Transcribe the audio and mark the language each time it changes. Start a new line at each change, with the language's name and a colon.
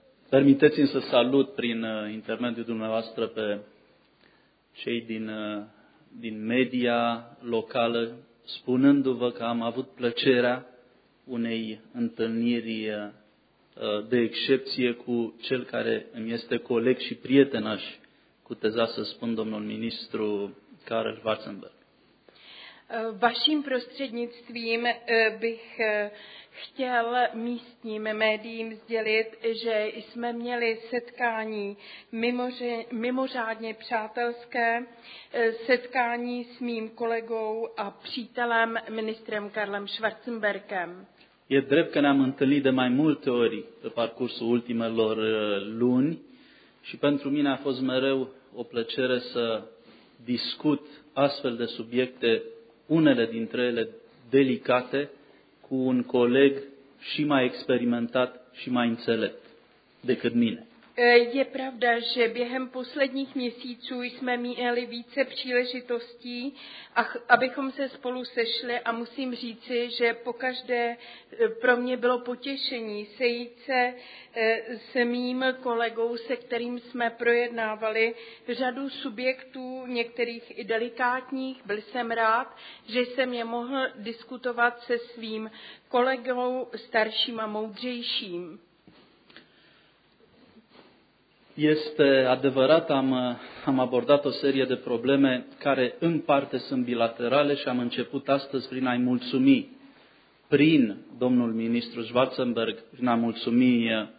Romanian: Permiteți-mi să salut prin intermediul dumneavoastră pe cei din media locală, spunându-vă că am avut plăcerea unei întâlniri de excepție cu cel care îmi este coleg și prietenaș, cuteza să spun, domnul ministru Karel Schwarzenberg.
Czech: Vaším prostřednictvím bych chtěl místním médiím sdělit, že jsme měli setkání mimořádně přátelské, setkání s mým kolegou a přítelem ministrem Karlem Schwarzenbergem.
Romanian: Je drept că ne-am întâlnit de mai multe ori pe parcursul ultimelor luni și pentru mine a fost mereu o plăcere să discut astfel de subiecte, unele dintre ele delicate, cu un coleg și mai experimentat și mai înțelept decât mine.
Czech: Je pravda, že během posledních měsíců jsme měli více příležitostí, abychom se spolu sešli a musím říci, že pokaždé pro mě bylo potěšení sejít se s mým kolegou, se kterým jsme projednávali řadu subjektů, některých i delikátních. Byl jsem rád, že jsem je mohl diskutovat se svým kolegou starším a moudřejším.
Romanian: Este adevărat, am abordat o serie de probleme care în parte sunt bilaterale și am început astăzi prin a-i mulțumi prin domnul ministru Schwarzenberg, prin a mulțumi